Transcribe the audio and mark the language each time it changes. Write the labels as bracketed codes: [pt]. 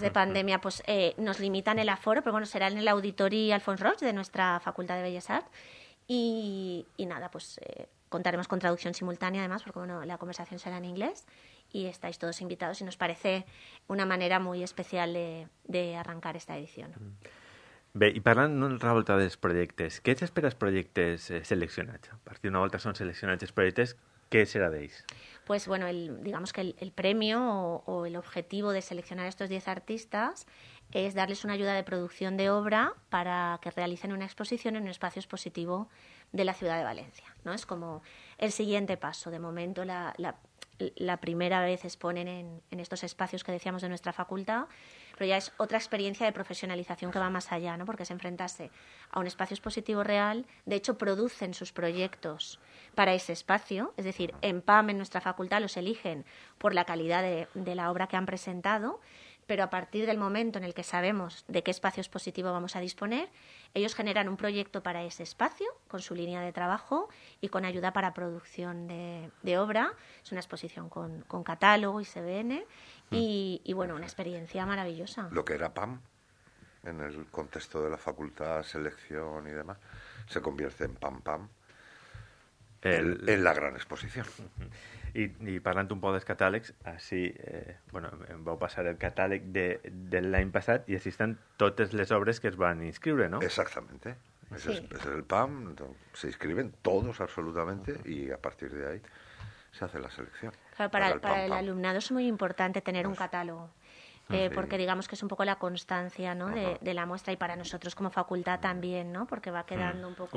[es] de pandemia pues nos limitan el aforo, pero bueno, será en el auditorio Alfons Roig de nuestra Facultad de Bellas Artes y nada, pues contaremos con traducción simultánea además porque bueno, la conversación será en inglés y estáis todos invitados y nos parece una manera muy especial de arrancar esta edición. [ca] Bé, i parlant d'una altra volta dels projectes, què t'espera els projectes seleccionats? A partir d'una volta són seleccionats els projectes, què serà d'ells? [es] Pues bueno, digamos que el premio o el objetivo de seleccionar estos 10 artistas es darles una ayuda de producción de obra para que realicen una exposición en un espacio expositivo de la ciudad de Valencia, ¿no? Es como el siguiente paso. De momento, la primera vez exponen en estos espacios que decíamos de nuestra facultad, pero ya es otra experiencia de profesionalización que va más allá, ¿no? Porque se enfrentase a un espacio expositivo real. De hecho, producen sus proyectos para ese espacio. Es decir, en PAM, en nuestra facultad, los eligen por la calidad de la obra que han presentado. Pero a partir del momento en el que sabemos de qué espacio expositivo vamos a disponer, ellos generan un proyecto para ese espacio con su línea de trabajo y con ayuda para producción de obra. Es una exposición con catálogo y CBN y bueno, una experiencia maravillosa. Lo que era PAM en el contexto de la facultad, selección y demás, se convierte en PAM en la gran exposición. [ca] I parlant un poc dels catàlegs, així, bueno, em vau passar el catàleg de l'any passat i així estan totes les obres que es van inscriure, no? [es] Exactamente. Sí. Es el PAM, se inscriben todos absolutamente y a partir de ahí se hace la selección. Claro, para el alumnado es muy importante tener un catálogo, porque digamos que es un poco la constancia, ¿no? De la muestra y para nosotros como facultad también, ¿no? Porque va quedando un poco